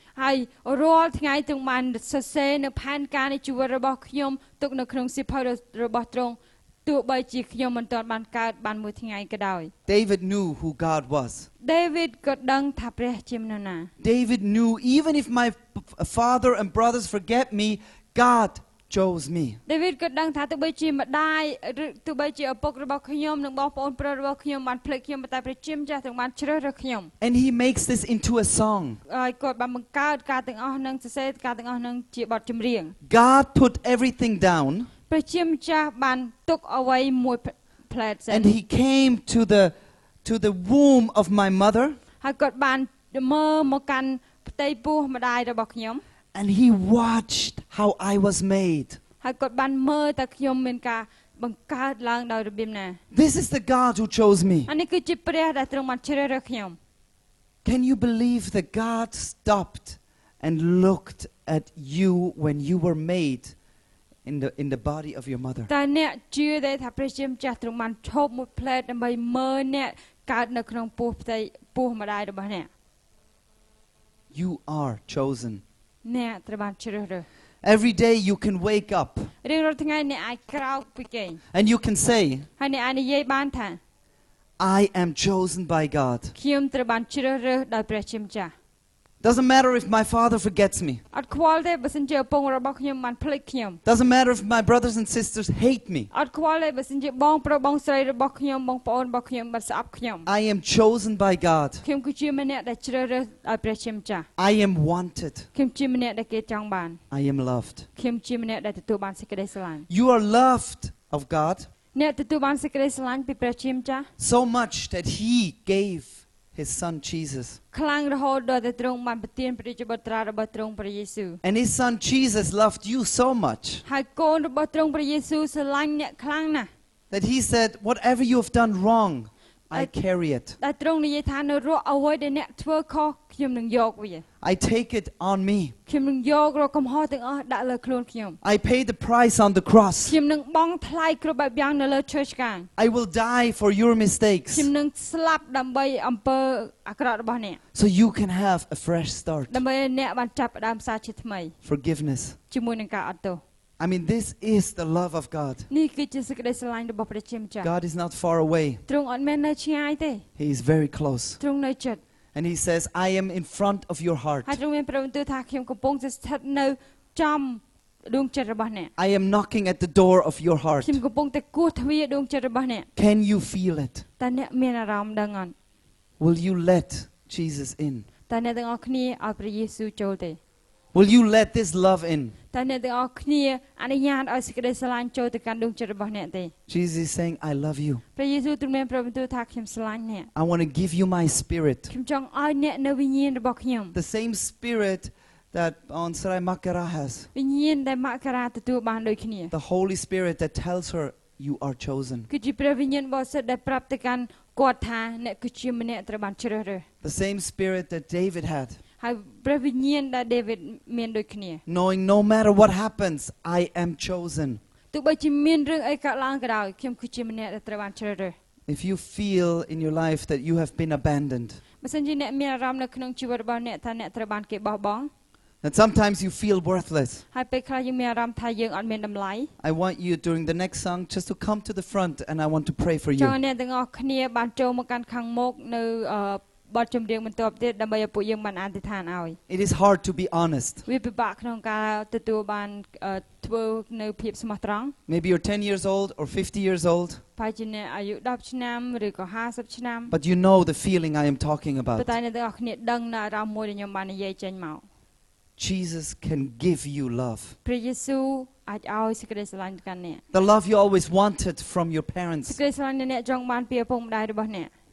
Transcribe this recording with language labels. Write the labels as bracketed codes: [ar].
[km] ហើយរាល់ថ្ងៃទាំងបានសរសេរនៅផែនការនៃជីវិតរបស់ខ្ញុំទុកនៅក្នុងសៀវភៅរបស់ទ្រង់ទោះបីជាខ្ញុំមិនទាន់បានកើតបានមួយថ្ងៃក៏ដោយ [en] David knew who God was [km] David ក៏ដឹងថាព្រះជានរណា [en] David knew even if my father and brothers forget me God chose me [km] David ក៏ដឹងថាទោះបីជាម្ដាយឬទោះបីជាឪពុករបស់ខ្ញុំនិងបងប្អូនប្រុសរបស់ខ្ញុំបានភ្លេចខ្ញុំតែព្រះជាម្ចាស់ទ្រង់បានជ្រើសរើសខ្ញុំ [en] And he makes this into a song [km] ហើយគាត់បានបង្កើតការទាំងអស់នឹងសរសេរការទាំងអស់នឹងជាបទចម្រៀង [en] God put everything down [km] ព្រះជាម្ចាស់បានទុកអ្វីមួយផ្លែតសិន [en] And he came to the womb of my mother [km] ហើយគាត់បានមើលមកកាន់ផ្ទៃពោះម្ដាយរបស់ខ្ញុំ [en] And he watched how I was made. How God [km] បានមើលតែខ្ញុំមានការបង្កើតឡើងដោយរបៀបណា [en] This is the God who chose me. [km] អានេះគឺជាព្រះដែលទ្រង់បានជ្រើសរើសខ្ញុំ [en] Can you believe that God stopped and looked at you when you were made in the body of your mother? [km] តើអ្នកជឿទេថាព្រះជាម្ចាស់ទ្រង់បានឈប់មួយភ្លែតដើម្បីមើលអ្នកកើតនៅក្នុងពោះផ្ទៃពោះម្ដាយរបស់អ្នក [en] You are chosen. [km] អ្នកត្រូវបានជ្រើសរើស [en] Every day you can wake up [km] រៀងរាល់ថ្ងៃអ្នកអាចក្រោកពីគេង [en] And you can say [km] ហើយអ្នកអាចនិយាយបានថា [en] I am chosen by God [km] ខ្ញុំត្រូវបានជ្រើសរើសដោយព្រះជាម្ចាស់ [en] Doesn't matter if my father forgets me [km] អត់ខ្វល់ទេបើសិនជាឪពុករបស់ខ្ញុំបានភ្លេចខ្ញុំ [en] Doesn't matter if my brothers and sisters hate me [km] អត់ខ្វល់ទេបើសិនជាបងប្រុសបងស្រីរបស់ខ្ញុំបងប្អូនរបស់ខ្ញុំបានស្អប់ខ្ញុំ [en] I am chosen by God [km] ខ្ញុំគឺជាម្នាក់ដែលជ្រើសរើសដោយព្រះជាម្ចាស់ [en] I am wanted [km] ខ្ញុំជាម្នាក់ដែលគេចង់បាន [en] I am loved [km] ខ្ញុំជាម្នាក់ដែលទទួលបានសេចក្តីស្រឡាញ់ [en] You are loved of God [km] អ្នកទទួលបានសេចក្តីស្រឡាញ់ពីព្រះជាម្ចាស់ [en] So much that he gave his son Jesus [km] ខ្លាំងរហូតដល់តែទ្រង់បានប្រទានព្រះជីវិតត្រាស់របស់ទ្រង់ព្រះយេស៊ូ [en] វ And his son Jesus loved you so much [km] ហើយកូនរបស់ទ្រង់ព្រះយេស៊ូវស្រឡាញ់អ្នកខ្លាំងណាស់ [en] That he said whatever you have done wrong I carry it [km] ដល់ទ្រង់និយាយថានៅរស់អ្វីដែលអ្នកធ្វើខុសខ្ញុំនឹងយកវា [en] I take it on me [km] ខ្ញុំនឹងយករកកំហុសទាំងអស់ដាក់លើខ្លួនខ្ញុំ [en] I pay the price on the cross [km] ខ្ញុំនឹងបង់ថ្លៃគ្រប់បែបយ៉ាងនៅលើឈើឆ្កាង [en] I will die for your mistakes [km] ខ្ញុំនឹងស្លាប់ដើម្បីអំពើអាក្រក់របស់អ្នក [en] So you can have a fresh start [km] ដើម្បីអ្នកបានចាប់ផ្ដើមសារជាថ្មី [en] Forgiveness [km] ជាមួយនឹងការអត់ទោស [en] I mean this is the love of God. [km] នេះគឺជាសេចក្តីស្រឡាញ់របស់ព្រះជាម្ចាស់ [en] God is not far away. [km] ទ្រង់អត់មែននៅឆ្ងាយទេ [en] He is very close. [km] ទ្រង់នៅជិត [en] And he says I am in front of your heart. [km] ហើយទ្រង់មានប្រាប់ទៅថាខ្ញុំកំពុងស្ថិតនៅចំដួងចិត្តរបស់អ្នក [en] I am knocking at the door of your heart. [km] ខ្ញុំកំពុងតែគោះទ្វារដួងចិត្តរបស់អ្នក [en] Can you feel it? [km] តើអ្នកមានអារម្មណ៍ដឹងអត់ [en] Will you let Jesus in? [km] តើអ្នកទាំងអស់គ្នាឲ្យព្រះយេស៊ូវចូលទេ [en] Will you let this love in? [km] តើអ្នកទាំងអស់គ្នាអនុញ្ញាតឲ្យសេចក្តីស្រឡាញ់ចូលទៅកាន់ដួងចិត្តរបស់អ្នកទេ [en] Jesus is saying I love you. [km] ព្រះយេស៊ូវទ្រង់មានប្រាប់បន្ទូលថាខ្ញុំស្រឡាញ់អ្នក [en] I want to give you my spirit. [km] ខ្ញុំចង់ឲ្យអ្នកនូវវិញ្ញាណរបស់ខ្ញុំ [en] The same spirit that on Sarai Makara has. [km] វិញ្ញាណដែលម៉ាការ៉ាទទួលបានដូចគ្នា [en] The Holy Spirit that tells her you are chosen. [km] គឺជាព្រះវិញ្ញាណរបស់សិទ្ធដែលប្រាប់ទៅកាន់គាត់ថាអ្នកគឺជាម្នាក់ត្រូវបានជ្រើសរើស [en] The same spirit that David had. [km] ហើយព្រះវិញ្ញាណដែលដាវីតមានដូចគ្នា [en] Knowing no matter what happens I am chosen [km] ទោះបីជាមានរឿងអីកើតឡើងក៏ដោយខ្ញុំគឺជាម្នាក់ដែលត្រូវបានជ្រើសរើស [en] If you feel in your life that you have been abandoned [km] មិនសិនជាអ្នកមានអារម្មណ៍នៅក្នុងជីវិតរបស់អ្នកថាអ្នកត្រូវបានគេបោះបង់ [en] And sometimes you feel worthless [km] ហើយពេលខ្លះយើងមានអារម្មណ៍ថាយើងអត់មានតម្លៃ [en] I want you during the next song just to come to the front and I want to pray for you [km] ចូលអ្នកទាំងអស់គ្នាបានចូលមកកាន់ខាងមុខនៅបាទចម្រៀងបន្តទៀតដើម្បីឲ្យពួកយើងបានអធិដ្ឋានឲ្យ [en] It is hard to be honest [km] វាពិបាកក្នុងការទទួលបានធ្វើនៅភាពស្មោះត្រង់ [en] Maybe you're 10 years old or 50 years old [km] បាទជាអាយុ10ឆ្នាំឬក៏50ឆ្នាំ [en] But you know the feeling I am talking about [km] បាទអ្នកទាំងអស់គ្នាដឹងនៅអារម្មណ៍មួយដែលខ្ញុំបាននិយាយចេញមក [en] Jesus can give you love [km] ព្រះយេស៊ូវអាចឲ្យសេចក្តីស្រឡាញ់កាន់អ្នក [en] The love you always wanted from your parents [km] សេចក្តីស្រឡាញ់ដែលអ្នកចង់បានពីឪពុកម្ដាយរបស់អ្នក